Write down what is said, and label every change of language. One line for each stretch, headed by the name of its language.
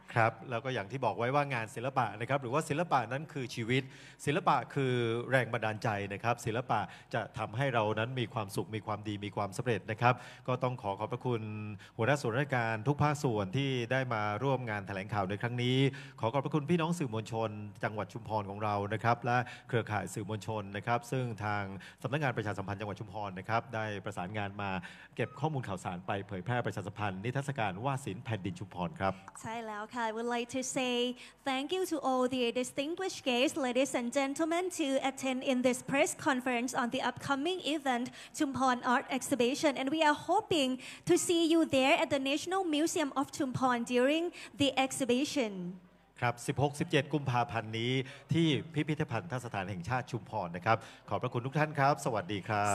Thai: ครับแล้วก็อย่างที่บอกไว้ว่างานศิลปะนะครับหรือว่าศิลปะนั้นคือชีวิตศิลปะคือแรงบันดาลใจนะครับศิลปะจะทำให้เรานั้นมีความสุขมีความดีมีความสำเร็จนะครับก็ต้องขอขอบพระคุณหัวหน้าส่วนราชการทุกภาคส่วนที่ได้มาร่วมงานแถลงข่าวในครั้งนี้ขอขอบพระคุณพี่น้องสื่อมวลชนจังหวัดชุมพรของเรานะครับและเครือข่ายสื่อมวลชนนะครับซึ่งทางสำนักงานประชาสัมพันธ์จังหวัดชุมพรนะครับได้ประสานงานมาเก็บข้อมูลข่าวสารไปเผยแพร่ประชาสัมพันธ์นิทรรศการวาดศิลป์แผ่นดินชุมพรครับ ใช่แล้วค่ะ
English: I would like to say thank you to all the distinguished guests ladies and gentlemen to attend in this press conference on the upcoming event Chumphon Art Exhibition and we are hoping to see you there at the National Museum of Chumphon during the exhibition
Thai: ครับ16 17กุมภาพันธ์นี้ที่พิพิธภัณฑสถานแห่งชาติชุมพรนะครับขอบพระคุณทุกท่านครับสวัสดีครับ